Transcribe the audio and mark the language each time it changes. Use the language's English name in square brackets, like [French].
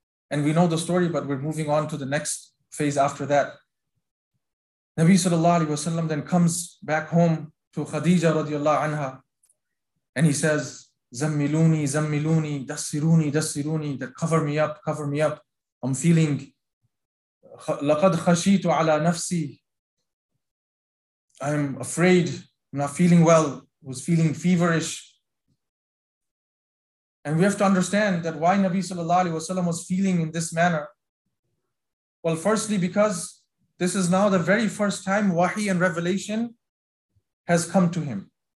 [English] And we know the story, but we're moving on to the next phase after that. Nabi sallallahu alayhi wa sallam then comes back home to Khadija radiallahu anha. And he says, [Arabic] Zammiluni, Zammiluni, Dassiruni, Dassiruni, [English] that cover me up, cover me up. I'm feeling, [Arabic] لَقَدْ خَشِيتُ عَلَى نَفْسِي. [English] I'm afraid, I'm not feeling well, I was feeling feverish. And we have to understand that why Nabi sallallahu alayhi wa sallam was feeling in this manner. Well, firstly, because this is now the very first time wahi and revelation has come to him.